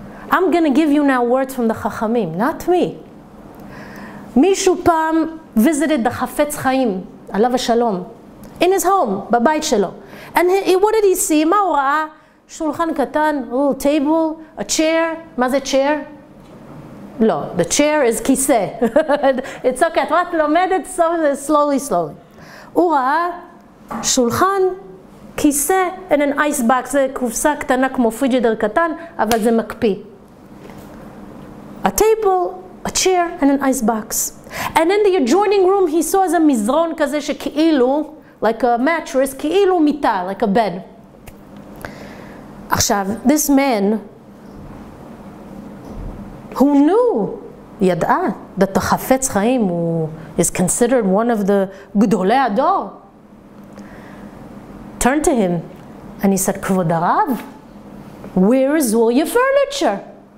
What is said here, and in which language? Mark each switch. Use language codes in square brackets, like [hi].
[en] I'm going to give you now words from the Chachamim, not me. Mishu pam visited the Chafetz Chaim, Alav Shalom, in his home, [he] בבית שלו. [en] And he, what did he see? [he] מה הוא ראה? שולחן קטן, [en] a little table, a chair. [he] מה זה [en] chair? לא, the chair is כיסא. It's okay, [he] את רק לומדת [en] slowly, slowly. [he] הוא ראה שולחן, כיסא, [en] and an ice box, [he] זה קופסה קטנה כמו פריג'דר קטן, אבל זה מקפיא. [en] A table, a chair, and an ice box. And in the adjoining room, he saw [he] איזה מזרון כזה שכאילו, [en] like a mattress, [he] כאילו מיטה, [en] like a bed. עכשיו, this man, who knew, [he] ידעה, [en] that the חפץ חיים is considered one of the גדולי הדור, turned to him, and he said, [he] כבוד הרב, [en] where is all your furniture?